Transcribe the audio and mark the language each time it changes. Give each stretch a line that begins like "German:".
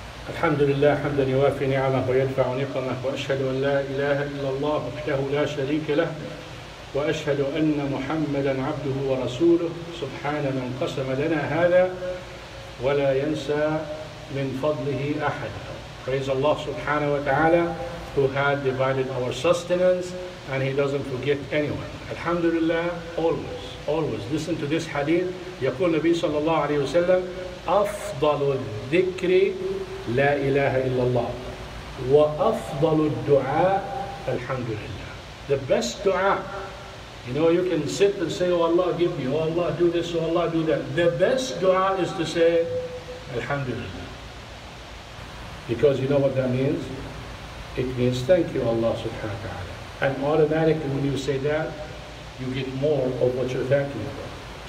Arabic: الحمد لله حمدا يوافي نعمه ويدفع نقمه وأشهد أن لا إله إلا الله وحده لا شريك له وأشهد أن محمدا عبده ورسوله. سبحان من قسم لنا هذا ولا ينسى من فضله أحد.
English: Praise Allah سبحانه وتعالى who had divided our sustenance and He doesn't forget anyone.
Arabic: الحمد لله
English: always, always. Listen to this hadith.
Arabic: يقول النبي صلى الله عليه وسلم أفضل الذكر لا إله إلا الله وأفضل الدعاء الحمد لله.
English: The best dua, you know, you can sit and say, oh Allah give me, oh Allah do this, oh Allah do that. The best dua is to say, Alhamdulillah. Because you know what that means? It means thank you Allah subhanahu wa ta'ala. And automatically when you say that, you get more of what you're thanking for.